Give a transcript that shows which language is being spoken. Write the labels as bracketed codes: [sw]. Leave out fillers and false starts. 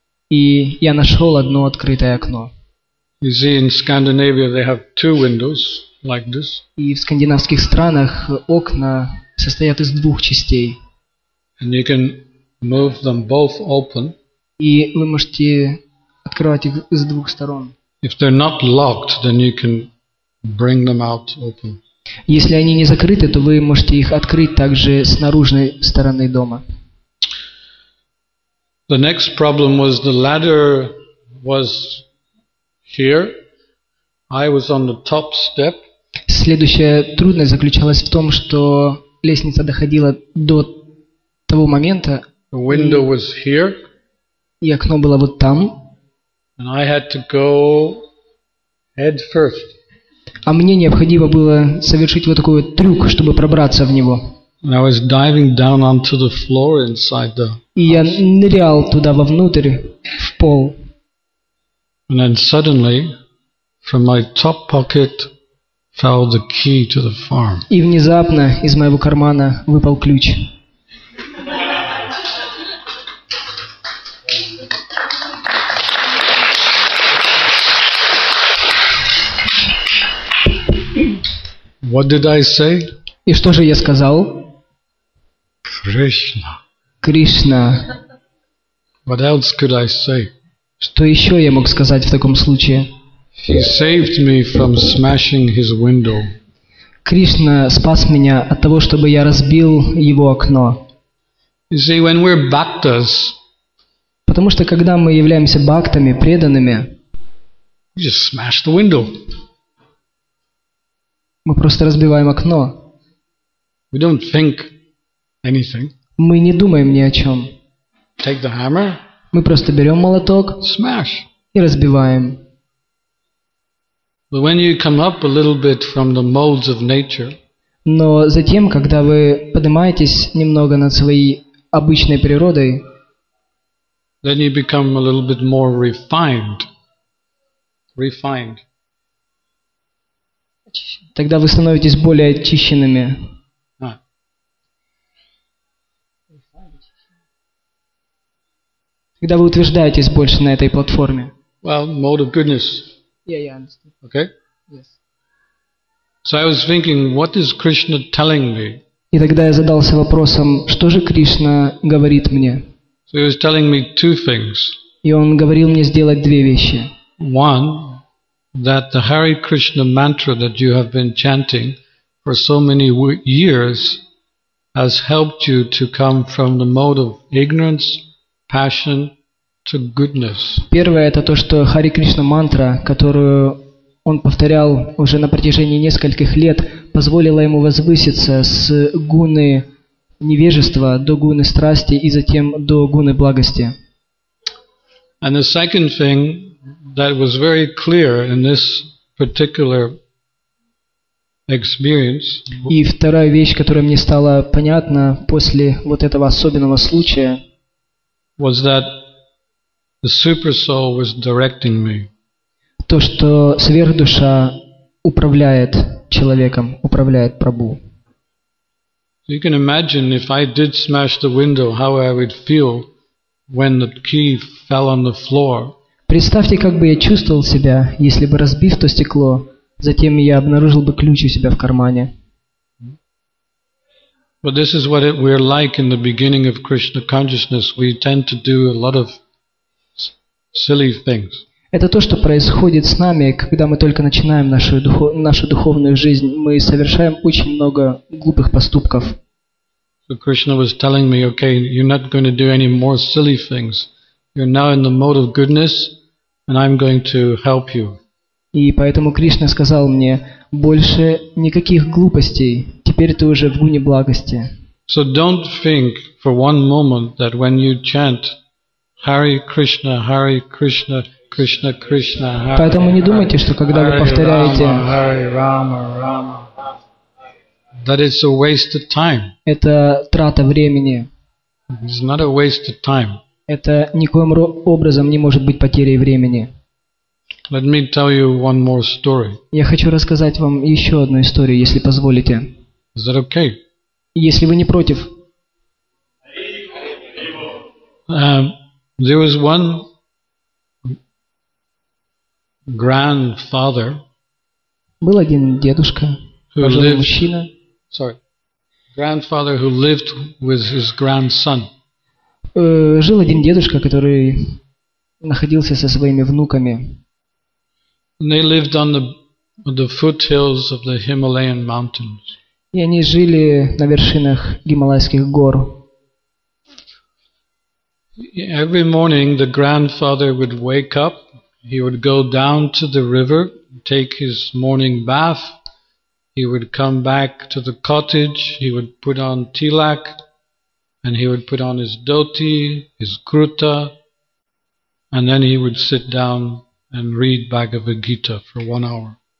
[ru] И я нашел одно открытое окно. [en] You see, in Scandinavia they have two windows like this. [ru] И в скандинавских странах окна состоят из двух частей. [en] And you can move them both open. [ru] И вы можете открывать их с двух сторон. [en] If they're not locked, then you can bring them out open. [ru] Если они не закрыты, то вы можете их открыть также с наружной стороны дома. [en] The next problem was the ladder was here. I was on the top step. [ru] Следующая трудность заключалась в том, что лестница доходила до того момента. [en] The window was here. [ru] И окно было вот там. [en] And I had to go head first. [ru] А мне необходимо было совершить вот такой вот трюк, чтобы пробраться в него. [en] I was diving down onto the floor inside the house. [ru] И я нырял туда вовнутрь, в пол. [en] And then suddenly, from my top pocket, fell the key to the farm. [ru] И внезапно из моего кармана выпал ключ. [en] What did I say? [ru] И что же я сказал? Кришна. Кришна. [en] What else could I say? [ru] Что еще я мог сказать в таком случае? [en] He saved me from smashing his window. [ru] Кришна спас меня от того, чтобы я разбил его окно. [en] You see, when we're bhaktas, [ru] потому что когда мы являемся бхактами, преданными, [en] we just smash the window. [ru] Мы просто разбиваем окно. [en] We don't think anything. [ru] Мы не думаем ни о чем. [en] Take the hammer. [ru] Мы просто берем молоток. [en] Smash. [ru] И разбиваем. [en] But when you come up a little bit from the molds of nature. [ru] Но затем, когда вы поднимаетесь немного над своей обычной природой. [en] Then you become a little bit more refined. Refined. [ru] Тогда вы становитесь более очищенными. Когда вы утверждаетесь больше на этой платформе. [en] Well, mode of goodness. Yeah, yeah, I understand. Okay? Yes. So I was thinking, what is Krishna telling me? [ru] И тогда я задался вопросом, что же Кришна говорит мне? [en] So he was telling me two things. [ru] И он говорил мне сделать две вещи. [en] One, that the Hare Krishna mantra that you have been chanting for so many years has helped you to come from the mode of ignorance, passion, to goodness. [ru] Первое это то, что Хари Кришна мантра, которую он повторял уже на протяжении нескольких лет, позволила ему возвыситься с гуны невежества до гуны страсти и затем до гуны благости. [en] And the second thing that was very clear in this particular experience. [ru] И вторая вещь, которая мне стала понятна после вот этого особенного случая, [en] was that the super soul was directing me. [ru] То, что сверхдуша управляет человеком, управляет Прабху. [en] You can imagine if I did smash the window, how I would feel when the key fell on the floor. [ru] Представьте, как бы я чувствовал себя, если бы разбив то стекло, затем я обнаружил бы ключ у себя в кармане. [en] But this is what we're like in the beginning of Krishna consciousness. We tend to do a lot of silly things. [ru] Это то, что происходит с нами, когда мы только начинаем нашу духовную жизнь. Мы совершаем очень много глупых поступков. [en] So Krishna was telling me, okay, you're not going to do any more silly things. You're now in the mode of goodness, and I'm going to help you. [ru] И поэтому Кришна сказал мне, больше никаких глупостей, теперь ты уже в гуне благости. [en] So don't think for one moment that when you chant Hare Krishna, Hare Krishna, Krishna Krishna, Hare Rama. [ru] Поэтому не думайте, что когда вы повторяете [en] Hare Rama, Rama, that it's a waste of time. [ru] Это трата времени. [en] It's not a waste of time. [ru] Это никоим образом не может быть потерей времени. [en] Let me tell you one more story. [ru] Я хочу рассказать вам еще одну историю, если позволите. [en] Is that okay? [ru] Если вы не против. [en] There was one grandfather. [ru] Был один дедушка, пожилой мужчина. [en] Sorry. Grandfather who lived with his grandson. [ru] Жил один дедушка, который находился со своими внуками. [en] And they lived on the foothills of the Himalayan mountains. [ru] И они жили на вершинах Гималайских гор. [en] Every morning the grandfather would wake up, he would go down to the river, take his morning bath, he would come back to the cottage, he would put on tilak, and he would put on his dhoti, his kurta, and then he would sit down and read Bhagavad Gita for 1 hour.